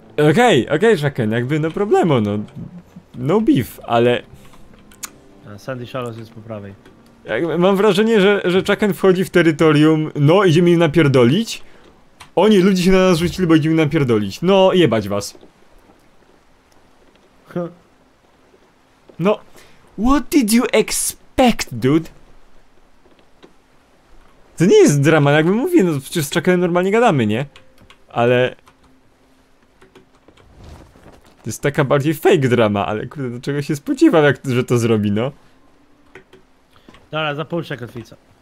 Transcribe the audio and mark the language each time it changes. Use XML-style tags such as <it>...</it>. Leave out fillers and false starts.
<pl>Okej, okej, Shaken, jakby no problemo, no.</pl> <en>No beef,</en> <pl>ale... Sandy Shallows jest po prawej. Jakby, mam wrażenie, że Shaken wchodzi w terytorium, no idziemy im napierdolić. Oni, ludzie się na nas rzucili, bo idziemy im napierdolić. No, jebać was.</pl> <en>No, what did you expect, dude?</en> <pl>To nie jest drama, jakby mówię, no przecież z Chakanem normalnie gadamy, nie? Ale... To jest taka bardziej fake drama, ale kurde, do czego się spodziewam, jak, że to zrobi, no? Dobra, zapuszczę kotwicę.</pl>